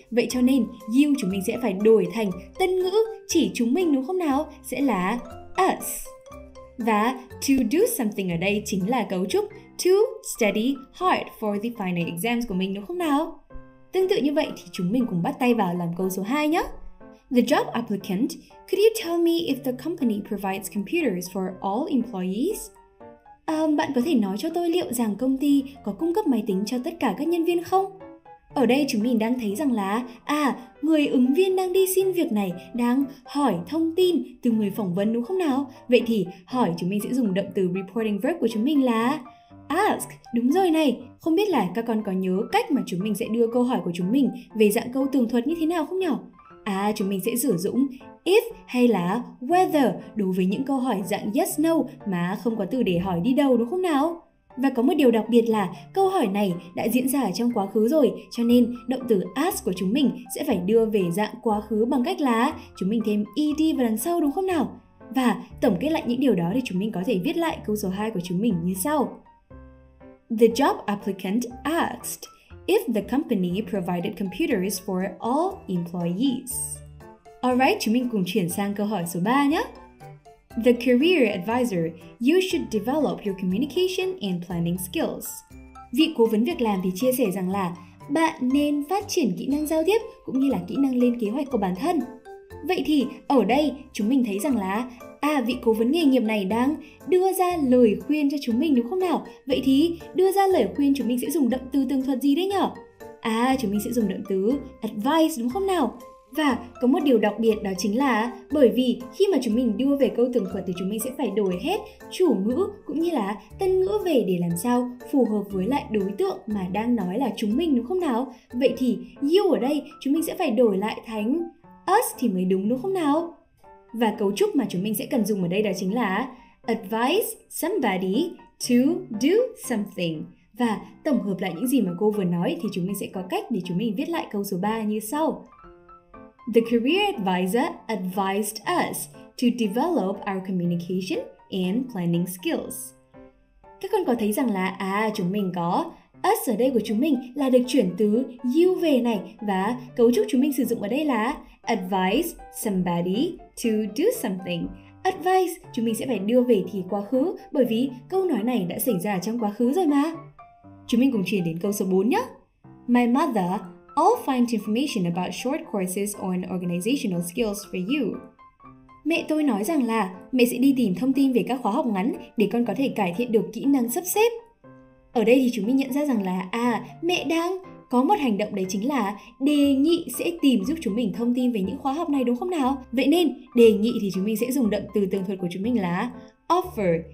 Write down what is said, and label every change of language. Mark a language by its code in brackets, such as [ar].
[vi] Vậy cho nên you chúng mình sẽ phải đổi thành tân ngữ chỉ chúng mình, đúng không nào? Sẽ là us. Và [en] to do something [vi] ở đây chính là cấu trúc [en] to study hard for the final exams [vi] của mình, đúng không nào? Tương tự như vậy thì chúng mình cùng bắt tay vào làm câu số 2 nhé. [en] The job applicant, could you tell me if the company provides computers for all employees? [vi] Bạn có thể nói cho tôi liệu rằng công ty có cung cấp máy tính cho tất cả các nhân viên không? Ở đây chúng mình đang thấy rằng là người ứng viên đang đi xin việc này đang hỏi thông tin từ người phỏng vấn, đúng không nào? Vậy thì hỏi chúng mình sẽ dùng động từ reporting verb của chúng mình là ask. Đúng rồi này, không biết là các con có nhớ cách mà chúng mình sẽ đưa câu hỏi của chúng mình về dạng câu tường thuật như thế nào không nhỉ? Chúng mình sẽ sử dụng if hay là whether đối với những câu hỏi dạng yes no mà không có từ để hỏi đi đâu, đúng không nào? Và có một điều đặc biệt là câu hỏi này đã diễn ra ở trong quá khứ rồi, cho nên động từ ask của chúng mình sẽ phải đưa về dạng quá khứ bằng cách là chúng mình thêm ed vào đằng sau, đúng không nào? Và tổng kết lại những điều đó thì chúng mình có thể viết lại câu số 2 của chúng mình như sau. [en] The job applicant asked if the company provided computers for all employees. [vi] Alright, chúng mình cùng chuyển sang câu hỏi số 3 nhé. [en] The career advisor, you should develop your communication and planning skills. [vi] Vị cố vấn việc làm thì chia sẻ rằng là bạn nên phát triển kỹ năng giao tiếp cũng như là kỹ năng lên kế hoạch của bản thân. Vậy thì ở đây chúng mình thấy rằng là vị cố vấn nghề nghiệp này đang đưa ra lời khuyên cho chúng mình, đúng không nào? Vậy thì đưa ra lời khuyên chúng mình sẽ dùng động từ tường thuật gì đấy nhở? À, chúng mình sẽ dùng động từ advise đúng không nào? Và có một điều đặc biệt đó chính là bởi vì khi mà chúng mình đưa về câu tường thuật thì chúng mình sẽ phải đổi hết chủ ngữ cũng như là tân ngữ về để làm sao phù hợp với lại đối tượng mà đang nói là chúng mình đúng không nào? Vậy thì you ở đây chúng mình sẽ phải đổi lại thành us thì mới đúng đúng không nào? Và cấu trúc mà chúng mình sẽ cần dùng ở đây đó chính là [en] advise somebody to do something. [vi] Và tổng hợp lại những gì mà cô vừa nói thì chúng mình sẽ có cách để chúng mình viết lại câu số 3 như sau. [en] The career advisor advised us to develop our communication and planning skills. [vi] Các con có thấy rằng là chúng mình có us ở đây của chúng mình là được chuyển từ you về này và cấu trúc chúng mình sử dụng ở đây là [en] advise somebody to do something. [vi] Advise chúng mình sẽ phải đưa về thì quá khứ bởi vì câu nói này đã xảy ra trong quá khứ rồi mà. Chúng mình cùng chuyển đến câu số 4 nhé. [en] My mother I'll find information about short courses on organizational skills for you. [vi] Mẹ tôi nói rằng là mẹ sẽ đi tìm thông tin về các khóa học ngắn để con có thể cải thiện được kỹ năng sắp xếp. Ở đây thì chúng mình nhận ra rằng là mẹ đang có một hành động đấy chính là đề nghị sẽ tìm giúp chúng mình thông tin về những khóa học này đúng không nào? Vậy nên đề nghị thì chúng mình sẽ dùng động từ tường thuật của chúng mình là offer.